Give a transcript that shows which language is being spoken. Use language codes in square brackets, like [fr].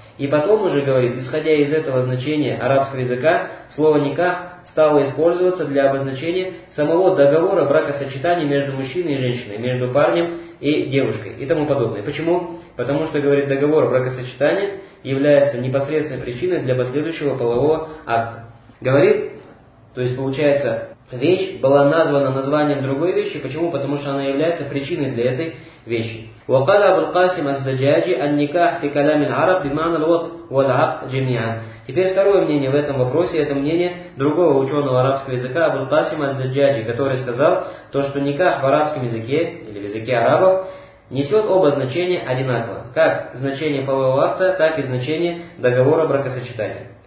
[ru] И потом уже говорит, исходя из этого значения арабского языка, слово «никах» стало использоваться для обозначения самого договора бракосочетания между мужчиной и женщиной, между парнем и девушкой и тому подобное. Почему? Потому что, говорит, договор бракосочетания является непосредственной причиной для последующего полового акта. Говорит, то есть получается, вещь была названа названием другой вещи. Почему? Потому что она является причиной для этой вещи. [ar] وقال أبو القاسم الزجاجي النكاح في كلام العرب بمعنى الوط والعقد جميعا. [ru] Теперь второе мнение в этом вопросе, это мнение другого ученого арабского языка Абу аль-Касима аз-Заджаджи, который сказал, то, что никах в арабском языке или в языке арабов несет оба значения одинаково, как значение полового акта, так и значение договора бракосочетания.